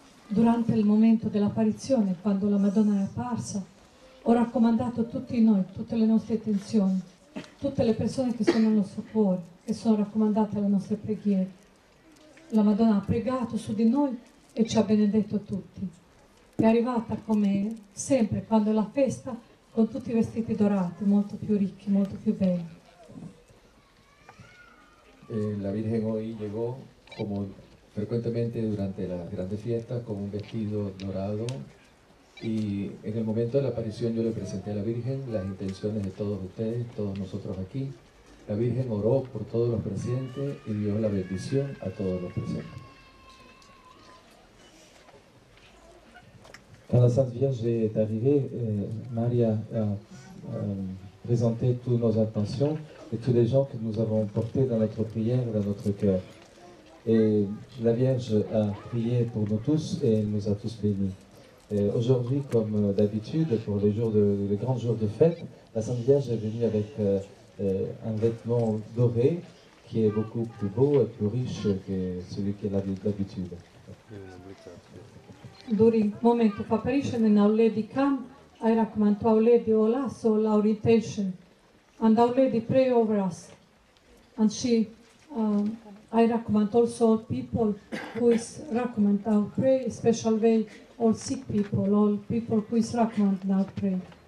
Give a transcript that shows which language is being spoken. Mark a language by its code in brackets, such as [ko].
[it] Durante il momento dell'apparizione, quando la Madonna è apparsa, ho raccomandato a tutti noi, tutte le nostre intenzioni, tutte le persone che sono nel nostro cuore, che sono raccomandate alle nostre preghiere. La Madonna ha pregato su di noi e ci ha benedetto tutti. È arrivata come sempre, quando è la festa, con tutti i vestiti dorati, molto più ricchi, molto più belli. [es] La Virgen hoy llegó, como frecuentemente durante las grandes fiestas, con un vestido dorado. Y en el momento de la aparición yo le presenté a la Virgen las intenciones de todos ustedes, todos nosotros aquí. La Virgen oró por todos los presentes y dio la bendición a todos los presentes. [fr] Quand la Sainte Vierge est arrivée, Maria a présenté toutes nos intentions et tous les gens que nous avons portés dans notre prière et dans notre cœur. Et la Vierge a prié pour nous tous et elle nous a tous bénis. Et aujourd'hui, comme d'habitude, pour les jours de, les grands jours de fête, la Sainte Vierge est venue avec un vêtement doré qui est beaucoup plus beau et plus riche que celui qu'elle a d'habitude. [en] During moment of apparition, and Our Lady come, I recommend to Our Lady all us, all our intention, and Our Lady pray over us. And she, I recommend also all people who is recommend our pray, special way all sick people, all people who is recommend our pray.